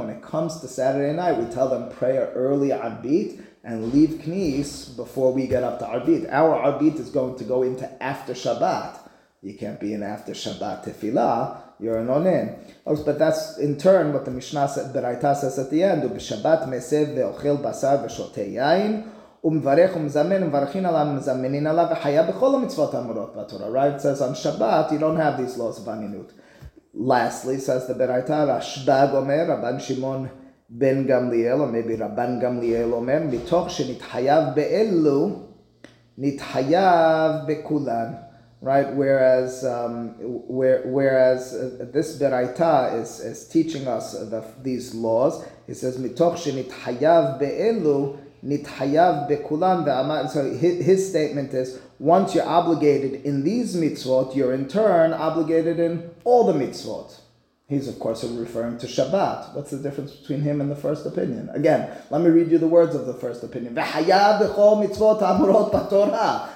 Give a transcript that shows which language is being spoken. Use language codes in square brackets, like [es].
[en] When it comes to Saturday night, we tell them prayer early Arbit and leave Knis before we get up to Arbit. Our Arbit is going to go into after Shabbat. You can't be in after Shabbat tefillah. You're an onen. But that's in turn what the Mishnah said, Beraita says at the end, [he] ומברך ומזמן ומברכין עליו ומזמנין עליו וחיה בכל המצוות האמורות בתורה. [en] Right? It says on Shabbat, you don't have these laws of anינות. Lastly, says the Beraita, Rashbag [he] אומר, רבן שמעון בן גמליאל, [en] or maybe [he] רבן גמליאל אומר, מתוך שנתחייב באלו, נתחייב בכולן. [en] Right? Whereas this Beraita is teaching us these laws. He says, [he] מתוך שנתחייב באלו, נתחייב בכולן. [en] So his statement is, once you're obligated in these mitzvot, you're in turn obligated in all the mitzvot. He's, of course, referring to Shabbat. What's the difference between him and the first opinion? Again, let me read you the words of the first opinion. [he] V'hayav v'chol mitzvot amurot b'Torah.